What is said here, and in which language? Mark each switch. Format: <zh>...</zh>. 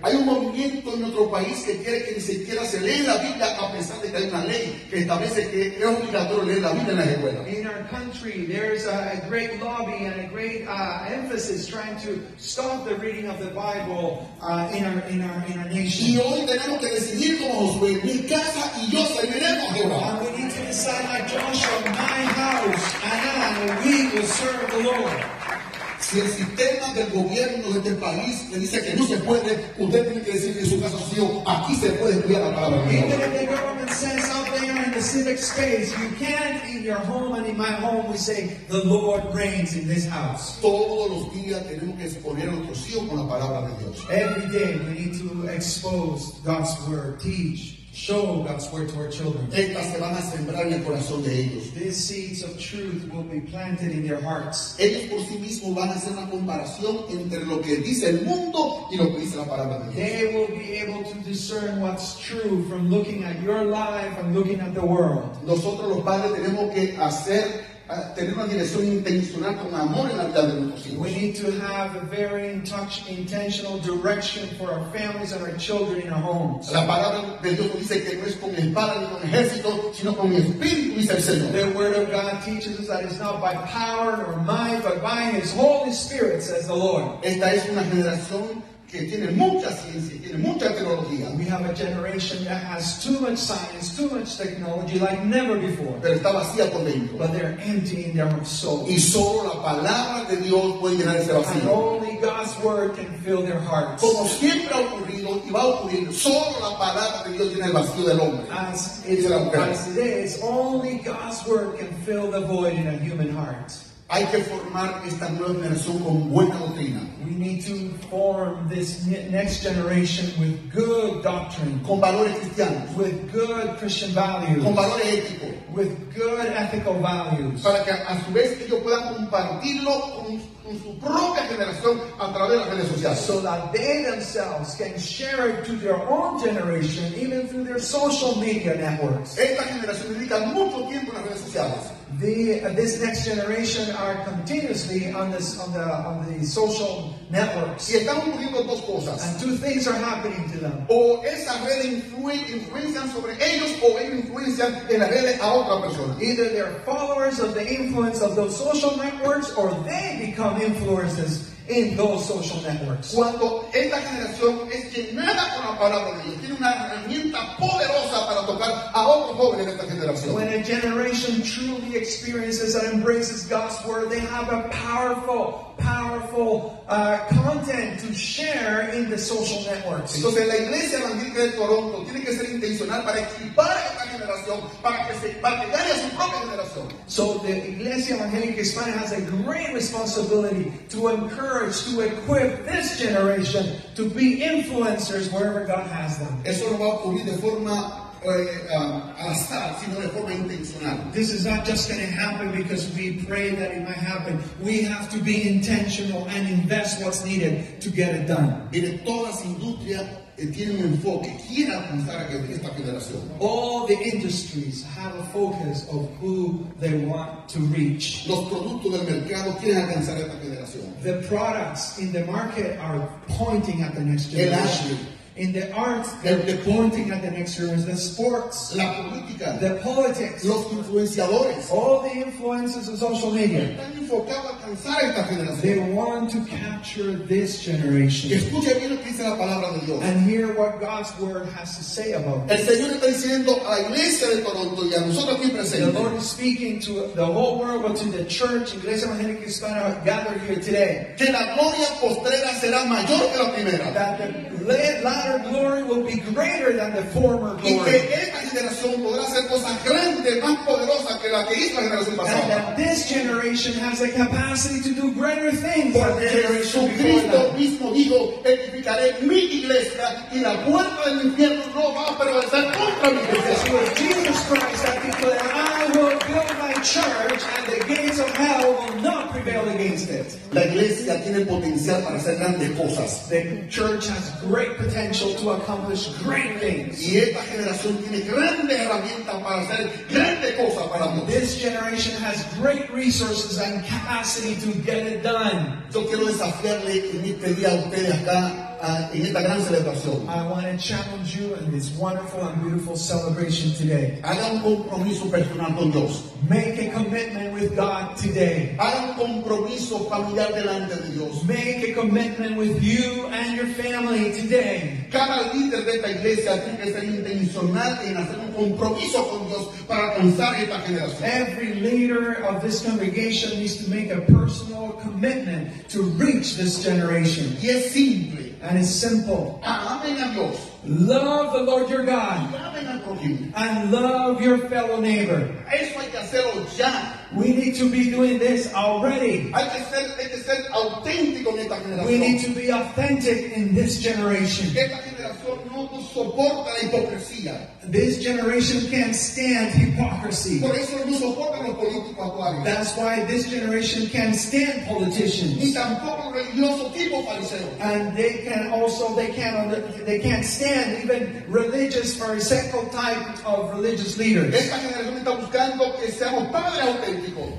<es>Hay un movimiento en nuestro país que quiere que ni siquiera se lea la Biblia a pesar de que hay una ley que establece que es obligatorio leer la Biblia en las escuelas.</es> <en>In our country, there's a great lobby and a great emphasis trying to stop the reading of the Bible in our nation.</en> <es>Y hoy tenemos que decidir como Josué, mi casa y yo serviremos a Jehová.</es> <en>And we need to decide like Joshua, my house and I, we will serve the Lord.</en> <es>Si el sistema del gobierno de este país le dice que no se puede, usted tiene que decir que su casa sí, aquí se puede estudiar la palabra.</es> <en>Even if the government says out there in the civic space, you can't in your home and in my home, we say, the Lord reigns in this house.</en> <es>Todos los días tenemos que exponer nuestro sí con la palabra de Dios.</es> <en>Every day we need to expose God's word, teach. Show God's word to our children.</en> <es>Estas se van a sembrar en el corazón de ellos.</es> <en>These seeds of truth will be planted in their hearts.</en> <es>Ellos por sí mismos van a hacer una comparación entre lo que dice el mundo y lo que dice la palabra de Dios.</es> <en>They will be able to discern what's true from looking at your life and looking at the world.</en> <es>Nosotros los padres tenemos que hacer tener una dirección intencional con amor en la vida de nuestros hijos.</es> <en>We need to have a very intentional direction for our families and our children in our homes.</en> <es>La palabra de Dios dice que no es con espada ni con ejército, sino con el Espíritu, dice el Señor.</es> <en>The word of God teaches us that it's not by power or might, but by His Holy Spirit, says the Lord.</en> <es>Esta es una generación que tiene mucha ciencia, tiene mucha tecnología.</es> <en>We have a generation that has too much science, too much technology like never before.</en> <es>Pero está vacía por dentro.</es> <en>But they're empty in their soul.</en> <es>Y solo la palabra de Dios puede llenar ese vacío.</es> <en>And only God's word can fill their hearts.</en> <es>Como siempre ha ocurrido y va a ocurrir, solo la palabra de Dios llena el vacío del hombre.</es> <en>As it is, only God's word can fill the void in a human heart.</en> <es>Hay que formar esta nueva generación con buena doctrina.</es> <en>We need to form this next generation with good doctrine.</en> <es>Con valores cristianos.</es> <en>With good Christian values.</en> <es>Con valores éticos.</es> <en>With good ethical values.</en> <es>Para que a su vez ellos puedan compartirlo con su propia generación a través de las redes sociales.</es> <en>So that they themselves can share it to their own generation, even through their social media networks.</en> <es>Esta generación dedica mucho tiempo a las redes sociales.</es> <en>This next generation are continuously on the social networks.</en> <es>Y están ocurriendo dos cosas.</es> <en>And two things are happening to them.</en> <es>O esa red influencian sobre ellos, o ellos influencian en la red a otra persona.</es> <en>Either they are followers of the influence of those social networks, or they become influencers in those social networks.</en> <es>Cuando esta generación es llenada con la palabra de Dios, tiene una herramienta poderosa para tocar a otros jóvenes de esta generación.</es> <en>When a generation truly experiences and embraces God's word, they have a powerful content to share in the social networks.</en> <es>Entonces la Iglesia Evangélica de Toronto tiene que ser intencional para equipar a esta generación para que gane a su propia generación.</es> <en>So the Iglesia Evangélica Hispana has a great responsibility to encourage, to equip this generation to be influencers wherever God has them.</en> <es>Eso no va a ocurrir de forma estar, sino de forma intencional.</es> <en>This is not just going to happen because we pray that it might happen. We have to be intentional and invest what's needed to get it done.</en> <es>Mire, todas las industrias tienen un enfoque. ¿Quién apuntará a esta federación?</es> <en>All the industries have a focus of who they want to reach.</en> <es>Los productos del mercado quieren alcanzar esta federación.</es> <en>The products in the market are pointing at the next generation. In the arts, they're pointing at the next generation. The sports,</en> <es>la política,</es> <en>the politics,</en> <es>los influenciadores,</es> <en>all the influences of social media.</en> <es>Están enfocados a alcanzar esta generación.</es> <en>They want to capture this generation.</en> <es>Escucha bien lo que dice la palabra de Dios.</es> <en>And hear what God's word has to say about</en> <es>this. El Señor está diciendo a la iglesia de Toronto y a nosotros aquí presentes.</es> <en>The Lord is speaking to the whole world, but to the church, Iglesia Evangelica Hispana, gathered here today.</en> <es>Que la gloria postrera será mayor que la primera.</es> <en>That the latter glory will be greater than the former glory.</en> <es>Y que esta generación podrá hacer cosas grandes, más poderosas que la que hizo la generación pasada.</es> <en>And that this generation has the capacity to do greater things.</en> <es>Porque Jesucristo mismo dijo, edificaré mi iglesia y la puerta del infierno no va a prevalecer contra mi iglesia.</es> <en>Jesus Christ, that people that I will build my church and the gates of hell will not prevail against it.</en> <es>La iglesia tiene potencial para hacer grandes cosas.</es> <en>The church has great potential to accomplish great things.</en> <es>Y esta generación tiene grandes herramientas para hacer grandes cosas para nosotros.</es> <en>This generation has great resources and capacity to get it done.</en> <es>Yo quiero desafiarle en este día a ustedes acá en esta gran celebración.</es> <en>I want to challenge you in this wonderful and beautiful celebration today.</en> <es>Haga un compromiso personal con Dios.</es> <en>Make a commitment with God today.</en> <es>Haga un compromiso familiar delante de Dios.</es> <en>Make a commitment with you and your family today.</en> <es>Cada líder de esta iglesia tiene que ser intencional en hacer un compromiso con Dios para alcanzar esta generación.</es> <en>Every leader of this congregation needs to make a personal commitment to reach this generation.</en> <es>Y es simple.</es> <en>And it's simple.</en> <es>Amen a Dios.</es> <en>Love the Lord your God.</en> <es>Amen al prójimo.</es> <en>And love your fellow neighbor.</en> <es>Eso hay que hacerlo ya.</es> <en>We need to be doing this already.</en> <es>Hay que ser auténtico en esta generación.</es> <en>We need to be authentic in this generation.</en> <es>Esta generación no soporta la hipocresía.</es> <en>This generation can't stand hypocrisy.</en> <es>Por eso no soportan los políticos actuales.</es> <en>That's why this generation can't stand politicians.</en> <es>Ni tampoco religioso tipo fariseo.</es> <en>And they can't stand even religious pharisaical type of religious leaders.</en> <es>Esta generación está buscando que seamos padres auténticos.</es>